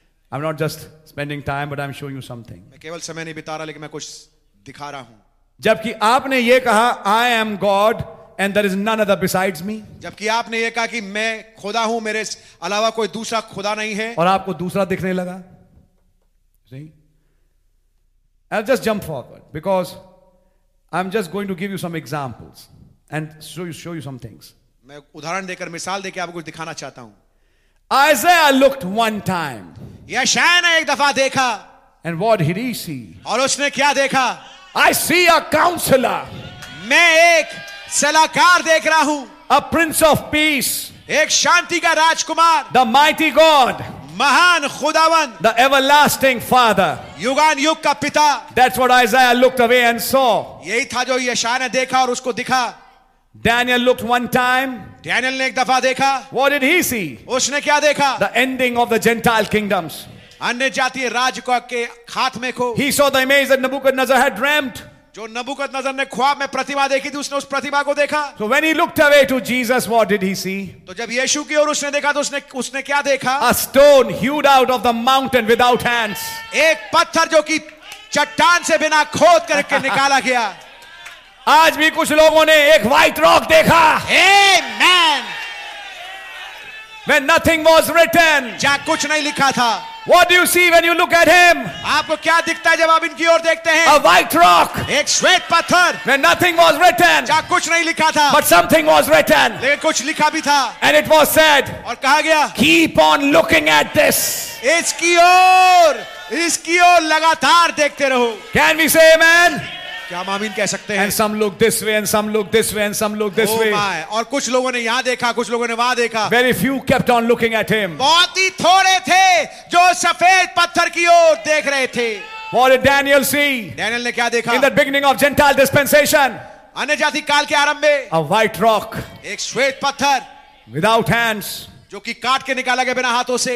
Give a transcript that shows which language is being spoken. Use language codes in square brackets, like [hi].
[en] I'm not just spending time, but I'm showing you something. [hi] मैं केवल समय नहीं बिता रहा, लेकिन मैं कुछ दिखा रहा हूं. जबकि आपने ये कहा [en] I am God and there is none other besides me. [hi] जबकि आपने ये कहा कि मैं खुदा हूं, मेरे अलावा कोई दूसरा खुदा नहीं है. और आपको दूसरा दिखने लगा. [en] I'll just jump forward because I'm just going to give you some examples and show you some things. [hi] मैं उदाहरण देकर, मिसाल देकर आपको कुछ दिखाना चाहता हूं. [en] Isaiah looked one time. [hi] यशायाह ने एक दफा देखा. [en] And what did he see? [hi] और उसने क्या देखा? [en] I see a counselor. [hi] मैं एक सलाहकार देख रहा हूं. [en] A prince of peace. [hi] एक शांति का राजकुमार. [en] The mighty God. [hi] महान खुदावन. [en] The everlasting Father. [hi] युगान युग का पिता. [en] That's what Isaiah looked away and saw. [hi] यही था जो यशायाह ने देखा और उसको दिखा. [en] Daniel looked one time. [hi] Daniel ने एक दफा देखा. [en] What did he see? [hi] उसने क्या देखा? [en] The ending of the Gentile kingdoms. [hi] अन्य जाति राज को के खात्मे को. [en] He saw the image that Nebuchadnezzar had dreamt. [hi] जो नबूकदनज़र ने ख्वाब में प्रतिमा देखी थी, उसने उस प्रतिमा को देखा. [en] So when he looked away to Jesus, what did he see? [hi] तो जब यीशु की ओर उसने देखा, तो उसने क्या देखा? [en] A stone hewed out of the mountain without hands. [hi] एक पत्थर जो कि चट्टान से बिना खोद करके निकाला गया. आज भी कुछ लोगों ने एक व्हाइट रॉक देखा. [en] Amen. When nothing was written. [hi] जहां कुछ नहीं लिखा था. [en] What do you see when you look at him? [hi] आपको क्या दिखता है जब आप इनकी ओर देखते हैं? [en] A white rock. [hi] एक श्वेत पत्थर. [en] When nothing was written. [hi] जहां कुछ नहीं लिखा था. [en] But something was written. [hi] लेकिन कुछ लिखा भी था. [en] And it was said. [hi] और कहा गया. [en] Keep on looking at this. [hi] इसकी ओर लगातार देखते रहो. [en] Can we say amen? [hi] क्या मामीन कह सकते हैं? [en] And some look this way, and some look this way, and some look this way. [hi] और कुछ लोगों ने यहाँ देखा, कुछ लोगों ने वहाँ देखा. [en] Very few kept on looking at him. [hi] बहुत ही थोड़े थे जो सफेद पत्थर की ओर देख रहे थे. [en] What did Daniel see? [hi] Daniel ने क्या देखा? [en] In the beginning of Gentile dispensation. [hi] अन्य जाति काल के आरंभ में. [en] A white rock. [hi] एक श्वेत पत्थर. [en] Without hands. [hi] जो कि काट के निकाला गया बिना हाथों से.